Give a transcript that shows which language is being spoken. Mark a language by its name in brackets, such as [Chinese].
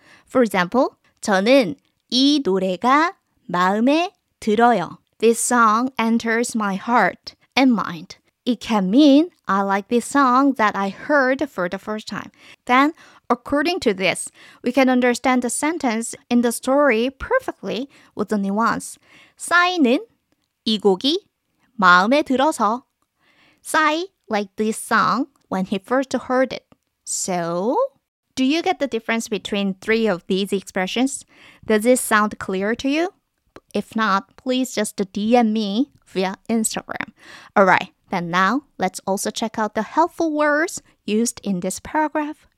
[English] For example, [Korean] 저는 이 노래가 마음에 들어요. [English] This song enters my heart and mind. It can mean I like this song that I heard for the first time. Then, according to this, we can understand the sentence in the story perfectly with the nuance. [Korean] 싸이는 이 곡이 마음에 들어서. [English] 싸이 liked this song when he first heard it. So, do you get the difference between three of these expressions? Does this sound clear to you? If not, please just DM me via Instagram. Alright, then now let's also check out the helpful words used in this paragraph.